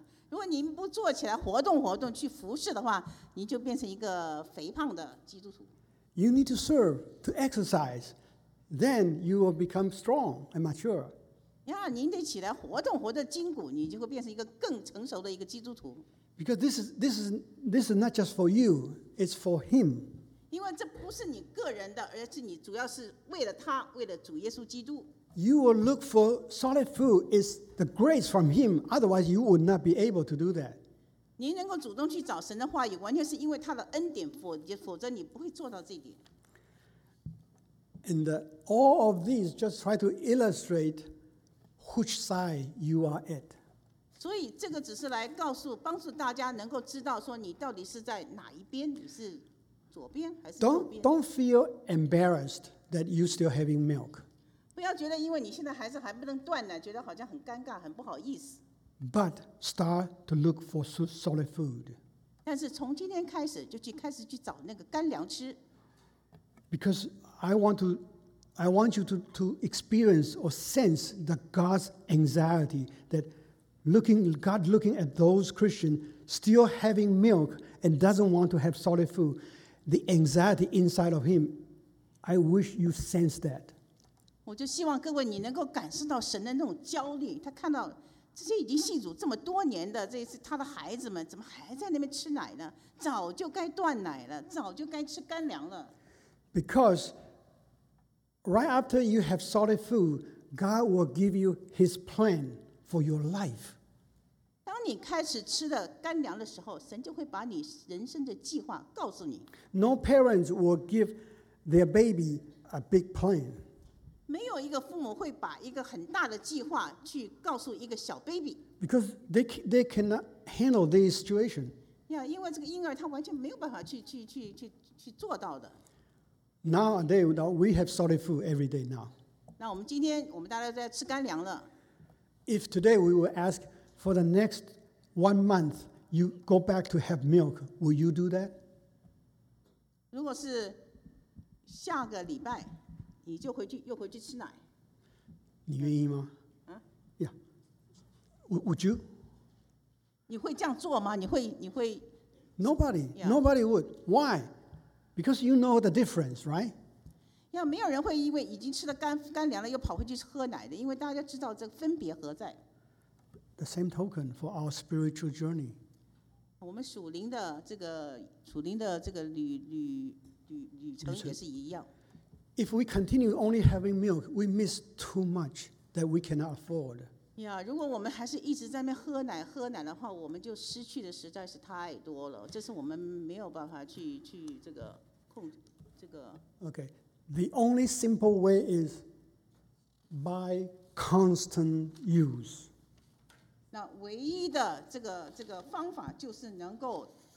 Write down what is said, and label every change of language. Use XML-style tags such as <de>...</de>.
<zh>如果您不做起来活动活动去服侍的话，你就变成一个肥胖的基督徒。</zh> <en>You need to serve, to exercise. Then you will become strong and mature.</en> <zh>您得起来活动活动筋骨，你就会变成一个更成熟的一个基督徒。</zh> <en>Because this is not just for you, it's for him.</en> <zh>因为这不是你个人的，而是你主要是为了他，为了主耶稣基督。</zh> <en>You will look for solid food is the grace from him. Otherwise, you would not be able to do that.</en> <zh>您能够主动去找神的话语，完全是因为他的恩典，否则你不会做到这点。</zh> <en>And all of these just try to illustrate which side you are at.</en> <zh>所以这个只是来帮助大家能够知道说你到底是在哪一边，你是左边还是右边。</zh> <en>Don't feel embarrassed that you're still having milk.</en> <zh>不要觉得因为你现在孩子还不能断奶，觉得好像很尴尬，很不好意思。</zh> <en>But start to look for solid food.</en> <zh>但是从今天开始就去开始去找那个干粮吃。</zh> <en>Because I want you to experience or sense the God's anxiety that. God looking at those Christians still having milk and doesn't want to have solid food, the anxiety inside of him, I wish you sense that.</en> <zh>我就希望各位你能够感受到神的那种焦虑，他看到这些已经信主这么多年的这些他的孩子们怎么还在那边吃奶呢？早就该断奶了，早就该吃干粮了。</zh> <en>Because right after you have solid food, God will give you his plan. For your life.</en> <zh>当你开始吃的干粮的时候，神就会把你人生的计划告诉你。</zh> <en>No parents will give their baby a big plan.</en> <zh>没有一个父母会把一个很大的计划去告诉一个小 baby.</zh> <en>Because they cannot handle this situation.</en> <zh>因为这个婴儿他完全没有办法去做到的。</zh> <en>Nowadays, we have solid food every day now.</en> <zh>那我们今天我们大家在吃干粮了。</zh> <en>If today we will ask for the next 1 month, you go back to have milk, will you do that?</en> <zh>如果是下个礼拜，你就又回去吃奶。你愿意吗？</zh> <en>Yeah. Would you?</en> <zh>你会这样做吗？你会</zh> <en>Nobody. Yeah. Nobody would. Why? Because you know the difference, right?</en> <zh>要没有人会因为已经吃了干粮了又跑回去喝奶的，因为大家知道这分别何在。</zh> <en>The same token for our spiritual journey.</en> <zh>我们属灵的这个旅旅程也是一样。</zh> <en>If we continue only having milk, we miss too much that we cannot afford.</en> <zh>Yeah, 如果我们还是一直在那边喝奶的话, 我们就失去的实在是太多了, 这是我们没有办法去这个控, 这个。</zh> <en>Okay, the only simple way is by constant use.</en> <zh>那唯一的这个方法就是能够,</zh>